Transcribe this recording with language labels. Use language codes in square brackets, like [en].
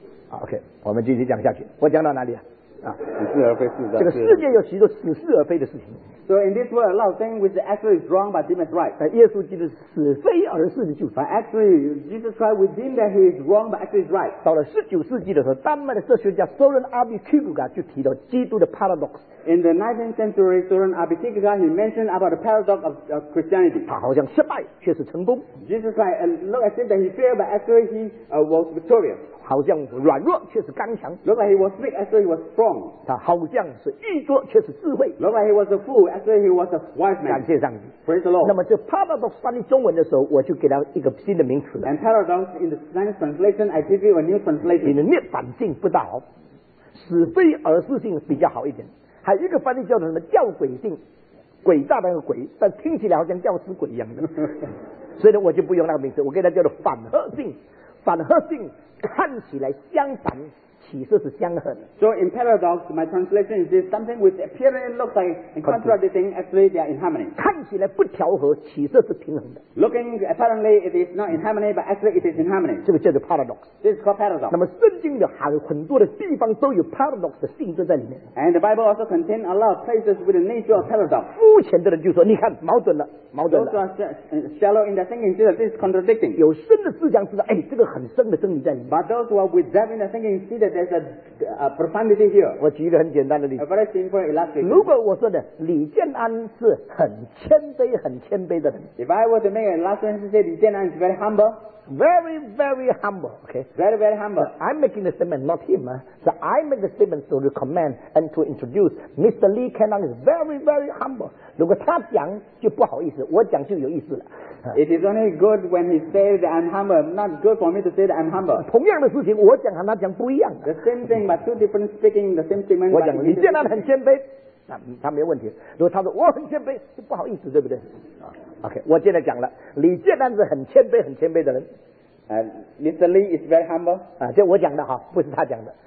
[zh] OK， 我们继续讲下去。我讲到哪里啊？似是而非，这个世界有许多似是而非的事情。 [en] So in this world, a lot of things which actually is wrong, but deem as right. [zh] 但耶稣基督是非而是的就反。 [en] Actually, Jesus Christ within that he is wrong, but actually is right. [zh] 到了十九世纪的时候，丹麦的哲学家 Søren R. B. Kierkegaard 就提到基督的 paradox. [en] In the 19th century, Søren R. B. Kierkegaard he mentioned about the paradox of Christianity. [zh] 他好像失败，却是成功。 [en] Jesus Christ look as if that he failed, but actually he was victorious. [zh] 好像软弱却是刚强。 [en] Look like he was weak, actually he was strong. [zh] 他好像是愚拙却是智慧。 [en] Look like he was a fool, actually he was a wise man. [zh] 感谢上帝。 [en] Praise the Lord. [zh] 那么这 paradox 翻译中文的时候，我就给他一个新的名词了。 [en] And paradox in the Spanish translation, I give you a new translation. [zh] 你的涅槃性不大好，是非而是性比较好一点。还有一个翻译叫什么吊诡性，诡诈的那个诡，但听起来好像吊死鬼一样的。所以呢，我就不用那个名词，我给他叫做反合性。反合性看起来相反，其实是相合的。 [en] So in paradox, my translation is this, something which appearance looks like in contradicting, actually they are in harmony. [zh] 看起来不调和，其实是平衡的。 [en] Looking apparently it is not in harmony, but actually it is in harmony. [zh] 这个叫做 paradox. [en] This is called paradox. [zh] 那么圣经的很多的地方都有 paradox 的性质在里面。 [en] And the Bible also contains a lot of places with the nature of paradox. [zh] 肤浅的人就说，你看矛盾了。 [en] Those are shallow in their thinking, see that this is contradicting. [zh] 有深的思想知道，哎，这个很深的真理在里面。 [en] But those who are with them in their thinking, see that there's a profundity here. [zh] 我举一个很简单的例子。 [en] A very simple illustration. [zh] 如果我说的李建安是很谦卑、很谦卑的人。 [en] If I were to make an illustration, say 李建安 is very humble. Very, very humble. Okay. Very, very humble. So I'm making the statement, not him. So I make the statement to recommend and to introduce Mr. Lee Kenang is very, very humble. [zh] 如果他讲就不好意思。我讲就有意思了。 [en] It is only good when he says that I'm humble, not good for me to say that I'm humble. [zh] 同样的事情，我讲和他讲不一样。 [en] The same thing, but two different speaking, the same statement. [zh] 我讲李建安很谦卑，他没问题。如果他说我很谦卑，就不好意思，对不对 ？OK， 我现在讲了，李建安是很谦卑、很谦卑的人。 [en] Mr. Lee is very humble. [zh] 啊，这我讲的哈，不是他讲的。